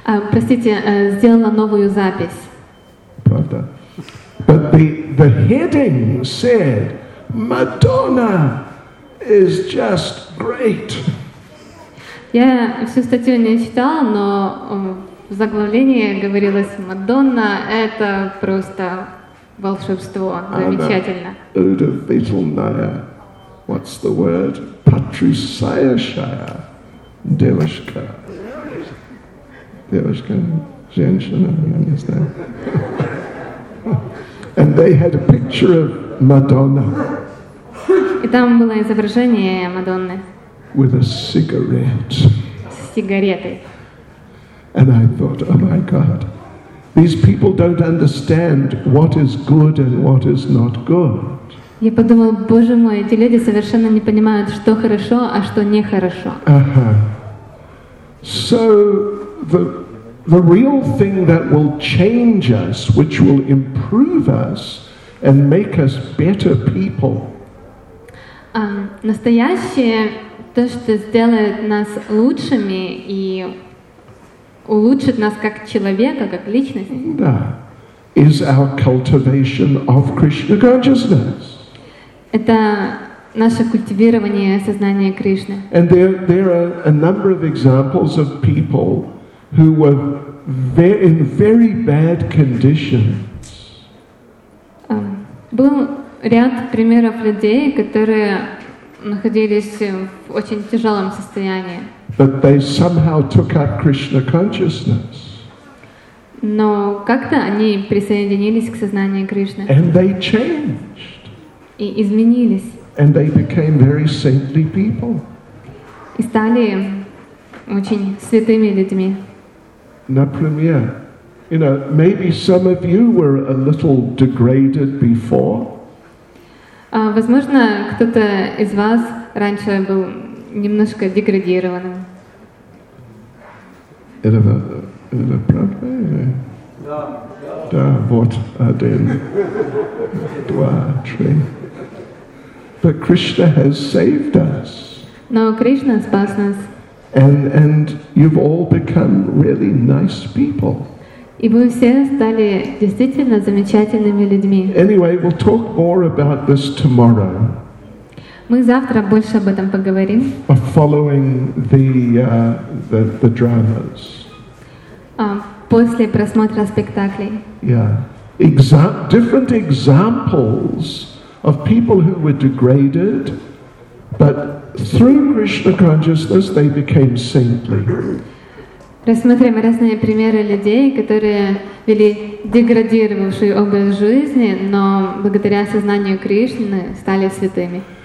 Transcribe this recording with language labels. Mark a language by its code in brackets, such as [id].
[ru] Простите, сделала новую запись. Правда. [en] But the heading said, Madonna is just great. [ru] Я всю статью не читала, но в заглавлении говорилось, Мадонна — это просто волшебство, замечательно. Удивительная, [en] what's the word? [ru] Потрясающая девушка. Девушка, женщина, я не знаю. [en] And they had a picture of Madonna. [ru] И там было изображение Мадонны. [en] With a cigarette. [ru] С сигаретой. [en] And I thought, oh my God, these people don't understand what is good and what is not good. [ru] Я подумал, Боже мой, эти люди совершенно не понимают, что хорошо, а что нехорошо. Ага. [en] So the real thing that will change us, which will improve us and make us better people. [ru] Настоящее, то, что сделает нас лучшими и улучшит нас как человека, как личность. Да. [en] Is our cultivation of Krishna consciousness. [ru] Это наше культивирование сознания Кришны. [en] And there are a number of examples of people who were in very bad conditions. [ru] Был ряд примеров людей, которые находились в очень тяжелом состоянии. [en] But they somehow took up Krishna consciousness. [ru] Но как-то они присоединились к сознанию Кришны. [en] And they changed. [ru] И изменились. [en] And they became very saintly people. [ru] И стали очень святыми людьми. Например, [en] you know, maybe some of you were a little degraded before. [ru] Возможно, кто-то из вас раньше был немножко деградированным. Это правда? Да. Да, вот один, два, три. [en] But Krishna has saved us. [ru] Но Кришна спас нас. [en] And you've all become really nice people. [ru] И вы все стали действительно замечательными людьми. [en] Anyway, we'll talk more about this tomorrow. [ru] Мы завтра больше об этом поговорим. [en] Following the dramas. [ru] После просмотра спектаклей. [en] Yeah. Different examples of people who were degraded, but through Krishna consciousness they became saintly. [ru] Рассмотрим разные примеры людей, которые вели деградировавший образ жизни, но благодаря сознанию Кришны стали святыми.